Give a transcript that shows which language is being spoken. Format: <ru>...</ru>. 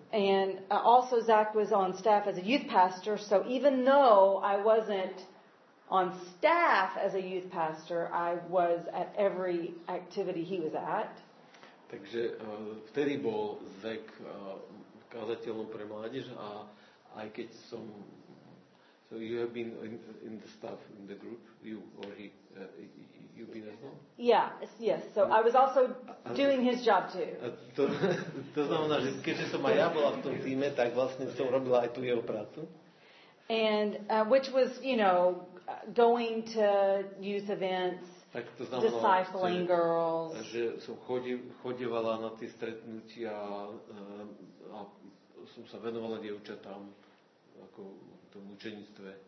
<en>And also Zach was on staff as a youth pastor, so even though I wasn't on staff as a youth pastor, I was at every activity he was at.</en> <sk>Takže vtedy bol Zach kazateľom pre mládež a aj keď som</sk> <en>so you have been in the staff in the group, you or he you've been as well? Yeah, yes. So I was also doing his job too.</en> <sk>To znamená, že keďže som aj ja bola v tom týme, tak vlastne som robila aj tú jeho prácu.</sk> <en>And which was, you know, going to youth events,</en> <sk>tak to znamená,</sk> <en>discipling girls.</en> <sk>Že som chodievala na tie stretnutia a som sa venovala dievčatám ako tomu učeníctve.</sk>